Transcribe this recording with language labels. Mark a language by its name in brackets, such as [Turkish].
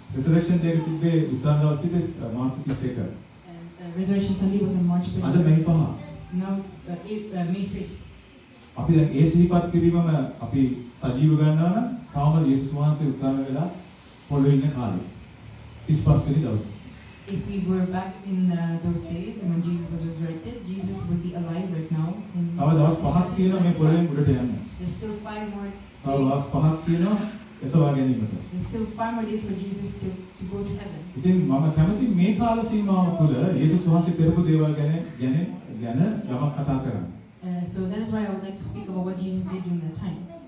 [English] Resurrection day [Sinhala] තිබ්බේ උත්සන් දවස් තිබ්බේ මාර්තු 31. [English] And Resurrection Sunday was on March [Sinhala] 31. අද මේ පහ. [English] Now it's May 3. [Sinhala] අපි දැන් ඒ සිහිපත් කිරීමම අපි සජීව ගන්නවා නම් තාම යේසුස් වහන්සේ උත්සන් වෙලා පොළොවේ ඉන්න කාලේ. 35 වෙනි දවස. [English] If we were back in those days when Jesus was resurrected, Jesus would be alive right now. [Sinhala] අවද වස් පහක් තියෙනවා මේ පොළොවේ උඩට යන්න. [English] There's still 5 more days. [Sinhala] අවද වස් පහක් තියෙනවා එසවා ගැනීමට. [English] There's still 5 more days for Jesus to go to heaven. [Sinhala] ඉතින් මම කැමති මේ කාල සීමාව තුළ යේසුස් වහන්සේ කරපු දේවල් ගැන යමක් කතා කරන්න. [English] So that is why I would like to speak about what Jesus did during that time.